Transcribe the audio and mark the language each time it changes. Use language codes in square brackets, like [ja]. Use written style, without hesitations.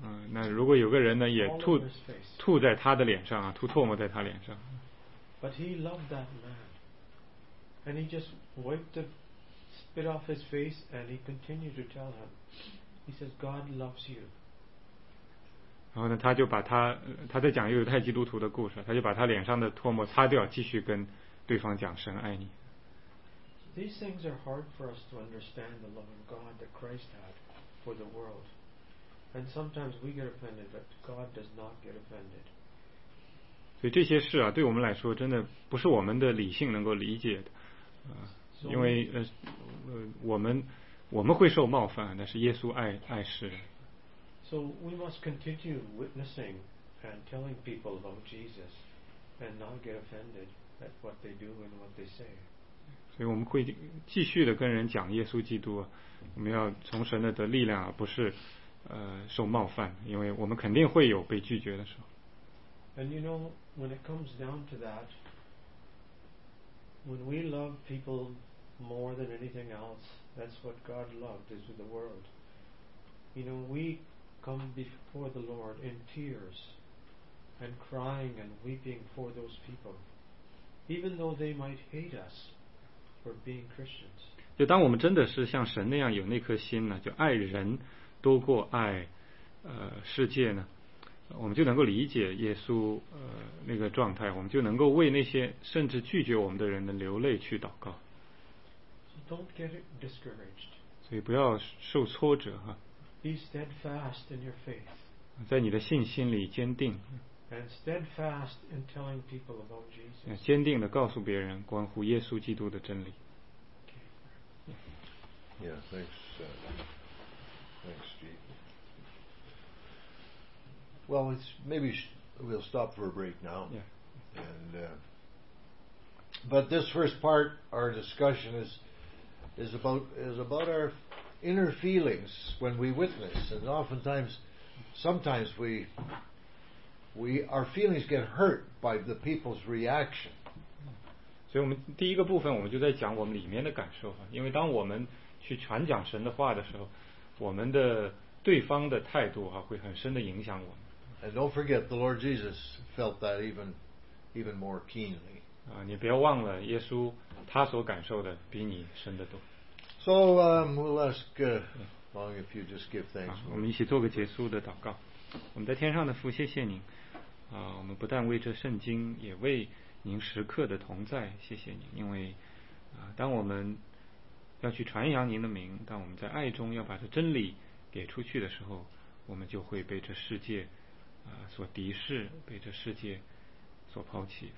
[zh] 那如果有个人呢，也吐在他的脸上啊，吐唾沫在他脸上。 [en] But he loved that man, and he just wiped it off his face, and he continued to tell him. He says, "God loves you." [zh] 然后呢，他就把他在讲犹太基督徒的故事，他就把他脸上的唾沫擦掉，继续跟对方讲神爱你。 [en] These things are hard for us to understand the love of God that Christ had for the world. And sometimes we get offended, but God does not get offended. [zh] 所以这些事啊，对我们来说真的不是我们的理性能够理解的，因为我们会受冒犯，但是耶稣爱世人。 [en] So we must continue witnessing and telling people about Jesus and not get offended at what they do and what they say. [zh] 所以我们会继续的跟人讲耶稣基督，我们要从神那得力量，而不是受冒犯，因为我们肯定会有被拒绝的时候。 [en] And you know, when it comes down to that, when we love people more than anything else, that's what God loved, is with the world. You know, we come before the Lord in tears and crying and weeping for those people, even though they might hate us for being Christians. [zh] 就当我们真的是像神那样有那颗心呢，就爱人多过爱世界呢，我们就能够理解耶稣那个状态，我们就能够为那些甚至拒绝我们的人的流泪去祷告。 [en] So don't get discouraged. [zh] 所以不要受挫折哈。 [en] Be steadfast in your faith. [zh] 在你的信心里坚定。 [en] And steadfast in telling people about Jesus. [zh] 坚定地告诉别人关乎耶稣基督的真理。 [en] Okay. Yeah, thanks. Thanks, Steve. Well, it's maybe we'll stop for a break now. Yeah. But this first part, our discussion is about our inner feelings when we witness. And oftentimes, sometimes we our feelings get hurt by the people's reaction. [zh] 所以我们第一个部分我们就在讲我们里面的感受，因为当我们去传讲神的话的时候，我们的对方的态度会很深的影响我们。 [en] And don't forget, the Lord Jesus felt that even more keenly. [zh] 你不要忘了，耶稣他所感受的比你深得多。 [en] So we'll ask Long if you just give thanks. [zh] 我们一起做个结束的祷告。我们在天上的父，谢谢您。我们不但为这圣经，也为您时刻的同在，谢谢您。因为当我们要去传扬您的名，当我们在爱中要把这真理给出去的时候，我们就会被这世界所敌视，被这世界所抛弃。